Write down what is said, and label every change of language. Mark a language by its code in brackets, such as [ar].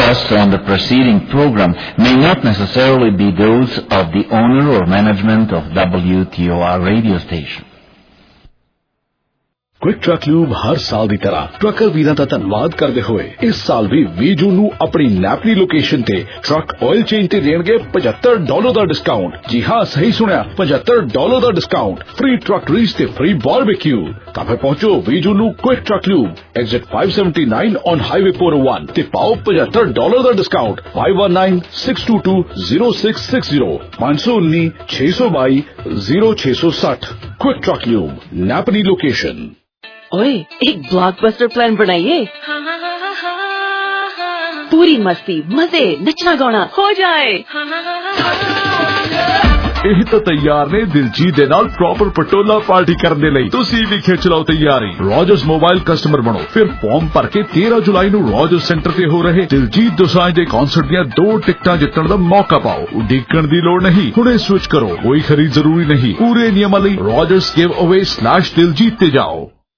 [en] On the preceding program may not necessarily be those of the owner or management of WTOR radio station. [pa] Quick truck lube ਹਰ ਸਾਲ ਦੀ ਤਰ੍ਹਾਂ trucker ਵੀਰਾਂ ਦਾ ਧੰਨਵਾਦ ਕਰਦੇ ਹੋਏ ਇਸ ਸਾਲ ਵੀ 20 ਜੂਨ ਨੂੰ ਆਪਣੀ ਨੈਪਲੀ ਲੋਕੇਸ਼ਨ ਤੇ ਟਰੱਕ ਆਇਲ ਚੇਂਜ ਤੇ ਦੇਣਗੇ $75 ਦਾ ਡਿਸਕਾਊਂਟ। ਜੀ ਹਾਂ, ਸਹੀ ਸੁਣਿਆ, $75 ਦਾ ਡਿਸਕਾਊਂਟ, ਫ੍ਰੀ ਟਰੱਕ ਰੀਸ ਤੇ ਫ੍ਰੀ ਬਾਰਬੇਕਿਊ। ਤਾਂ ਫਿਰ ਪਹੁੰਚੋ 20 ਜੂਨ ਨੂੰ quick truck lube, exit 579 on highway 401 ਤੇ ਪਾਓ $75 ਦਾ discount 519-622-0660 519-622-0660। Quick truck lube, ਨੈਪਲੀ location. [hi] ओए, एक ब्लॉकबस्टर प्लान बनाइए, पूरी मस्ती मजे नचना गाना हो जाए। [pa] ਇਹ ਤਾਂ ਤਿਆਰ ਨੇ ਦਿਲਜੀਤ ਦੇ ਨਾਲ ਪ੍ਰੋਪਰ ਪਟੋਲਾ ਪਾਰਟੀ ਕਰਨ ਦੇ ਲਈ, ਤੁਸੀਂ ਵੀ ਖਿੱਚ ਲਓ ਤਿਆਰੀ। ਰੋਜਰਸ ਮੋਬਾਈਲ ਕਸਟਮਰ ਬਣੋ, ਫਿਰ ਫਾਰਮ ਭਰ ਕੇ 13 ਜੁਲਾਈ ਨੂੰ ਰੋਜਰਸ ਸੈਂਟਰ ਤੇ ਹੋ ਰਹੇ ਦਿਲਜੀਤ ਦੋਸਾਂਝ ਦੇ ਕਾਨਸਰਟ ਦੀਆਂ 2 ਟਿਕਟਾਂ ਜਿੱਤਣ ਦਾ ਮੌਕਾ ਪਾਓ। ਉਡੀਕਣ ਦੀ ਲੋੜ ਨਹੀਂ, ਹੁਣੇ ਸਵਿਚ ਕਰੋ, ਕੋਈ ਖਰੀਦ ਜ਼ਰੂਰੀ ਨਹੀਂ। ਪੂਰੇ ਨਿਯਮਾਂ ਲਈ ਰੋਜਰਸ ਗਿਵ ਅਵੇ / ਦਿਲਜੀਤ ਤੇ ਜਾਓ।